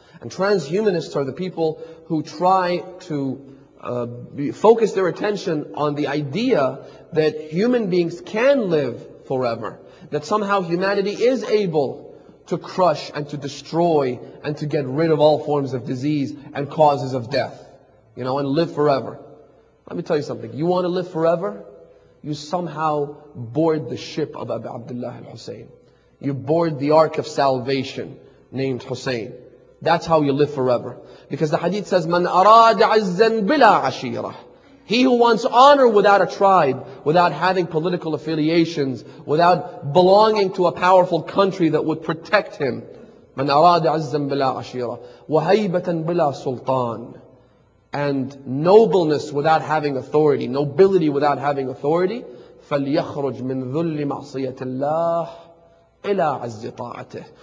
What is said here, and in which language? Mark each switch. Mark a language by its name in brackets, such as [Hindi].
[English] And transhumanists are the people who try to focus their attention on the idea that human beings can live forever, that somehow humanity is able to crush and to destroy and to get rid of all forms of disease and causes of death, you know, and live forever. Let me tell you something, you want to live forever? You somehow board the ship of Abu Abdullah al-Husayn. You board the ark of salvation named Hussein. That's how you live forever. Because the hadith says, [Arabic] مَنْ أَرَادَ عِزًّا بِلَا عَشِيرَةً. [English] He who wants honor without a tribe, without having political affiliations, without belonging to a powerful country that would protect him. [Arabic] مَنْ أَرَادَ عِزًّا بِلَا عَشِيرَةً وَهَيْبَةً بِلَا سُلْطَانٍ. [English] And nobleness without having authority, [Arabic] nobility without having authority, فَلْيَخْرُجْ مِنْ ذُلِّ مَعْصِيَةِ اللَّهِ إِلَىٰ عَزِّ طَاعَتِهِ.